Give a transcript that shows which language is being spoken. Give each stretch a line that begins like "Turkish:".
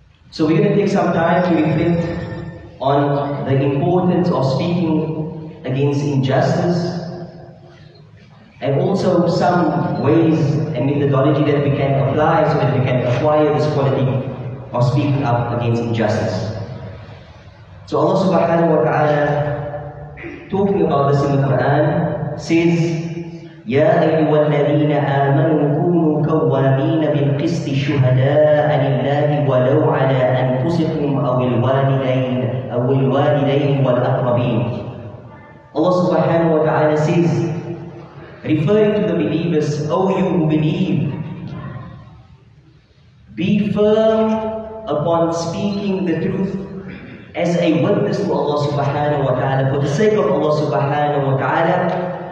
English: So we're going to take some time to reflect on the importance of speaking against injustice and also some ways and methodology that we can apply so that we can acquire this quality of speaking up against injustice. So Allah subhanahu wa ta'ala, talking about this in the Quran, says,
Arabic: يا أيها الذين آمنوا كونوا قوامين بالقسط شهداء لله ولو على أنفسكم أو الوالدين والأقربين.
English: Allah subhanahu wa ta'ala says, referring to the believers, O you who believe, be firm upon speaking the truth as a witness to Allah subhanahu wa ta'ala, for the sake of Allah subhanahu wa ta'ala.